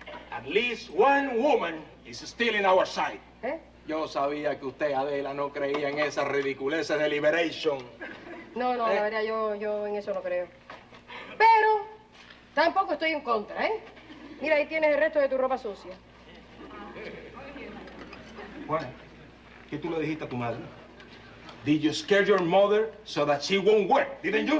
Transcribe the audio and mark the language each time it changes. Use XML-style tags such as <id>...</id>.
<en>At least one woman is still in our sight.</en> <es>Yo sabía que usted, Adela, no creía en esas ridiculeces de Liberation. No, la verdad, yo en eso no creo. Pero tampoco estoy en contra, ¿eh? Mira, ahí tienes el resto de tu ropa sucia. Bueno, ¿qué tú le dijiste a tu madre?</es> <en>Did you scare your mother so that she won't work, didn't you?</en>